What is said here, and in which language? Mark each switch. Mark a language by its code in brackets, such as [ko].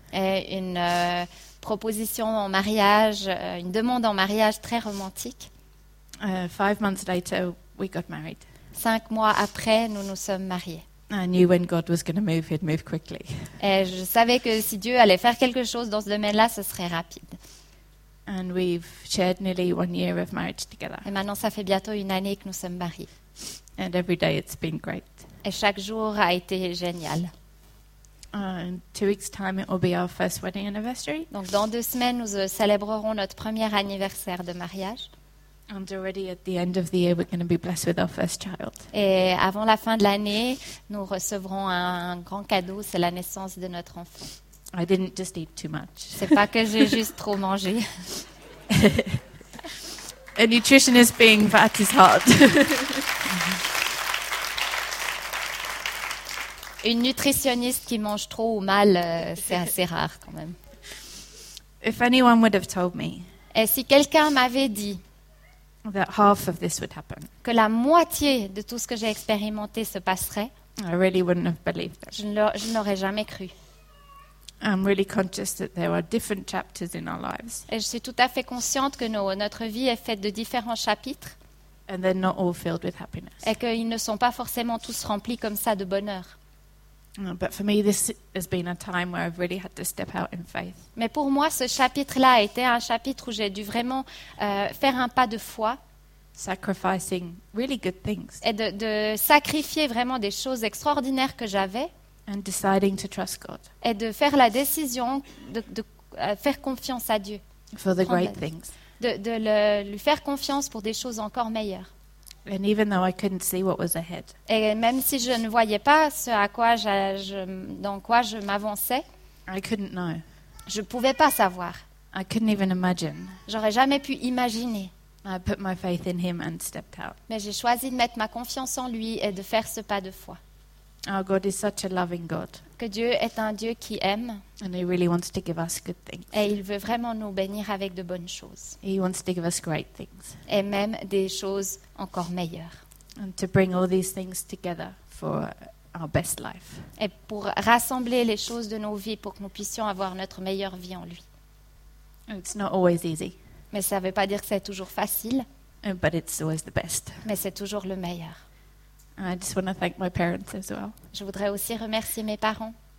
[fr] Et une proposition en mariage, une demande en mariage très romantique. [en] 5 months later, we got married. [fr] 5 mois après, nous nous sommes mariés. [en] I knew when God was going to move, he'd move quickly. [fr] Et je savais que si Dieu allait faire quelque chose dans ce domaine-là, ce serait rapide. [en] And we've shared nearly 1 year of marriage together. [fr] Et maintenant, ça fait bientôt une année que nous sommes mariés. [en] And every day it's been great. [fr] Et chaque jour a été génial. [en] In 2 weeks' time, it will be our first wedding anniversary. [fr] Donc dans 2 semaines, nous célébrerons notre premier anniversaire de mariage. [en] And already at the end of the year, we're going to be blessed with our first child. [fr] Et avant la fin de l'année, nous recevrons un grand cadeau, c'est la naissance de notre enfant. [en] I didn't just eat too much. [fr] C'est pas que j'ai juste trop mangé. [en] A nutritionist being fat is hard. [fr] Une nutritionniste qui mange trop ou mal, c'est assez rare quand même. [en] If anyone would have told me. [fr] Et si quelqu'un m'avait dit [en] that half of this would happen. [fr] Que la moitié de tout ce que j'ai expérimenté se passerait. [en] I really wouldn't have believed that. [fr] Je n'aurais jamais cru. [en] I'm really conscious that there are different chapters in our lives. [fr] Et je suis tout à fait consciente que notre vie est faite de différents chapitres. [en] And they're not all filled with happiness. [fr] Et qu'ils ne sont pas forcément tous remplis comme ça de bonheur. [en] But for me, this has been a time where I've really had to step out in faith. [fr] Mais pour moi, ce chapitre-là a été un chapitre où j'ai dû vraiment faire un pas de foi. [en] Sacrificing really good things. [fr] Et de sacrifier vraiment des choses extraordinaires que j'avais. [en] And deciding to trust God. [fr] Et de faire la décision de faire confiance à Dieu. [en] For the great things. [fr] De lui faire confiance pour des choses encore meilleures. [en] And even though I couldn't see what was ahead. [fr] Et même si je ne voyais pas ce à quoi dans quoi je m'avançais. [en] I couldn't know. [fr] Je pouvais pas savoir. [en] I couldn't even imagine. [fr] J'aurais jamais pu imaginer. [en] I put my faith in him and stepped out. [fr] Mais j'ai choisi de mettre ma confiance en lui et de faire ce pas de foi. [en] Our God is such a loving God. [fr] Que Dieu est un Dieu qui aime. [en] And he really wants to give us good things. [fr] Et il veut vraiment nous bénir avec de bonnes choses. [en] He wants to give us great things. [fr] Et même des choses encore meilleures. [en] And to bring all these things together for our best life. [fr] Et pour rassembler les choses de nos vies pour que nous puissions avoir notre meilleure vie en lui. [en] It's not always easy. [fr] Mais ça ne veut pas dire que c'est toujours facile. [en] But it's always the best. [fr] Mais c'est toujours le meilleur. [en] I just want to thank my parents as well. [fr] Je voudrais aussi remercier mes parents.